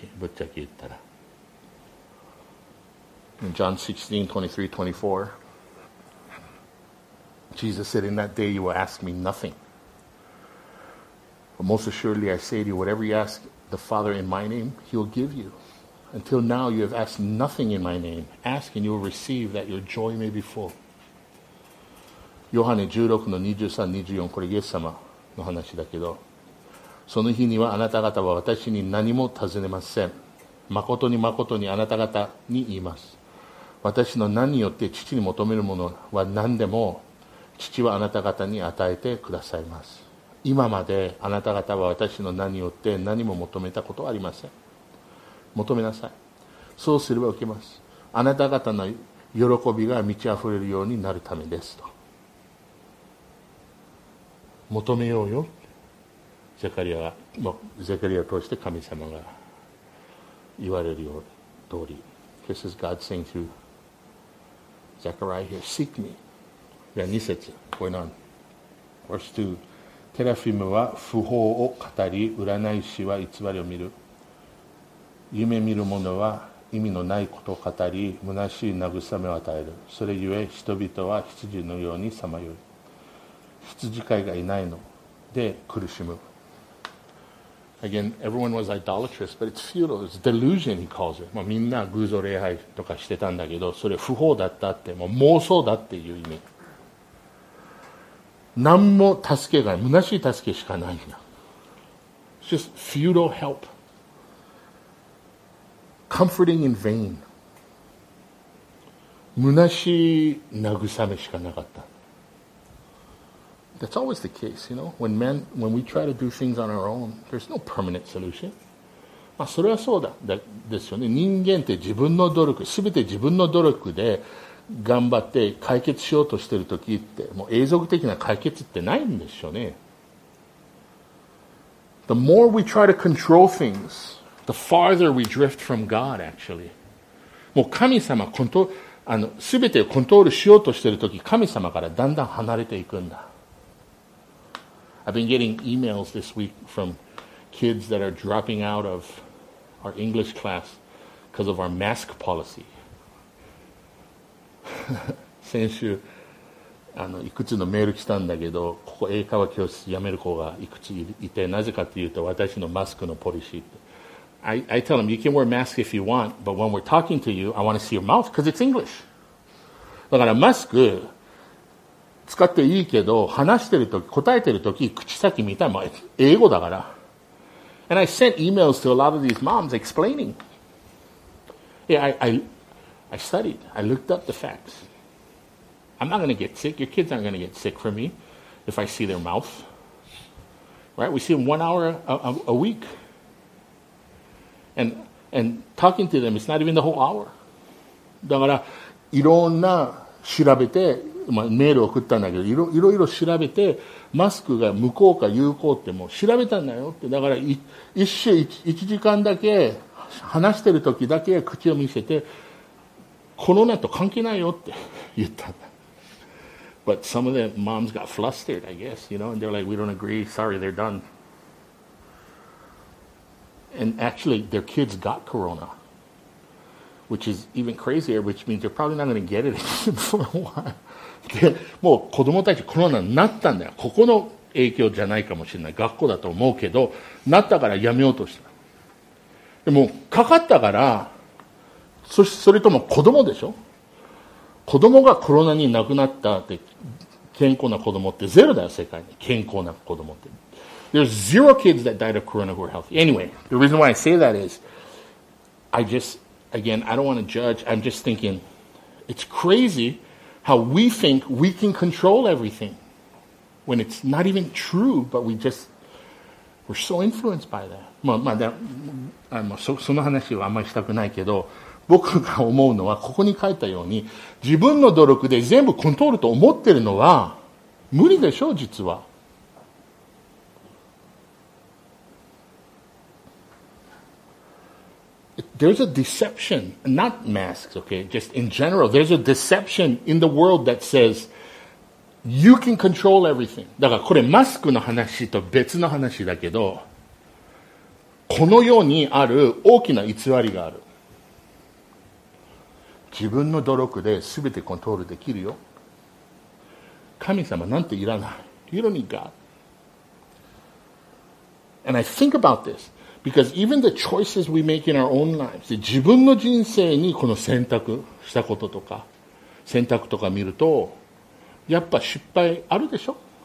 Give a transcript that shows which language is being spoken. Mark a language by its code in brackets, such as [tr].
[ja] ぶっちゃけ言ったら。 [en] In John 16:23-24,Jesus said, in that day you will ask me nothing. But most assuredly I say to you, whatever you ask the Father in my name, he will give you. Until now you have asked nothing in my name. Ask and you will receive that your joy may be full. [ja] ヨハネ16:23-24 これイエス様の話だけど、その日にはあなた方は私に何も尋ねません。誠に誠にあなた方に言います。私の何によって父に求めるものは何でも、父はあなた方に与えてくださいます。今まであなた方は私の名によって何も求めたことはありません。求めなさい。そうすれば受けます。あなた方の喜びが満ち溢れるようになるためですと。求めようよ。ゼカリアを通して神様が言われるように通り。 [en] This is God saying to Zechariah here, seek me. [ja] 2節、これなん [en] Verse 2 [ja] テラフィムは不法を語り、占い師は偽りを見る。夢見る者は意味のないことを語り、虚しい慰めを与える。それゆえ人々は羊のようにさまよい。羊飼いがいないので苦しむ。 [en] Again, everyone was idolatrous, but it's futile. It's delusion, he calls it. [ja] みんな偶像礼拝とかしてたんだけど、それ不法だったって、もう妄想だっていう意味。何も助けがない。虚しい助けしかないな。 [en] It's just futile help. Comforting in vain. [ja] 虚しい慰めしかなかった。 [en] That's always the case, you know. When we try to do things on our own, there's no permanent solution. [ja] まあ、それはそうだ。ですよね。人間って自分の努力、すべて自分の努力で頑張って解決しようとしている時って、もう永続的な解決ってないんでしょうね。 [en] The more we try to control things, the farther we drift from God actually. [ja] もう神様コントあの全てをコントロールしようとしている時、神様からだんだん離れていくんだ。 [en] I've been getting emails this week from kids that are dropping out of our English class because of our mask policy. [ja] 先週あのいくつのメール来たんだけど、ここ英会話教室辞める子がいくついて、なぜかというと私のマスクのポリシーって。 [en] I tell them, you can wear a mask if you want, but when we're talking to you, I want to see your mouth because it's English. [ja] だからマスク使っていいけど、話してるとき、答えてるとき、口先見たい、まあ、英語だから。 [en] And I sent emails to a lot of these moms explaining. Yeah, I studied. I looked up the facts. I'm not going to get sick. Your kids aren't going to get sick from me if I see their mouth. Right? We see them 1 hour a week. And talking to them, it's not even the whole hour. [ja] だから、いろんな調べて、まあ、メール送ったんだけど、いろいろ調べて、マスクが無効か有効ってもう調べたんだよって。だから、1週1時間だけ話してる時だけ口を見せて、コロナと関係ないよって言ったんだ。 [en] But some of the moms got flustered, I guess, you know, and they're like, we don't agree, sorry, they're done. And actually, their kids got corona, which is even crazier, which means they're probably not going to get it for a while. [ja] もう子供たちコロナになったんだよ。ここの影響じゃないかもしれない。学校だと思うけど、なったからやめようとした。でも、かかったから、それとも子供でしょ？子供がコロナに亡くなったって、健康な子供ってゼロだよ、世界に。健康な子供って。 [en] There's zero kids that died of corona who are healthy. Anyway, the reason why I say that is, I don't want to judge. I'm just thinking, it's crazy how we think we can control everything when it's not even true, but we're so influenced by that. [ja] その話はあんまりしたくないけど、僕が思うのは、ここに書いたように、自分の努力で全部コントロールと思ってるのは、無理でしょう、実は。 [en] There's a deception, not masks, okay, just in general. There's a deception in the world that says you can control everything. [ja] だからこれマスクの話と別の話だけど、この世にある大きな偽りがある。自分の努力で全てコントロールできるよ。神様なんていらない。 [en] You don't need God. And I think about this. Because even the choices we make in our own lives, [ja] 自分の人生にこの選択したこととか、選択とか見ると、やっぱ失敗あるでしょ？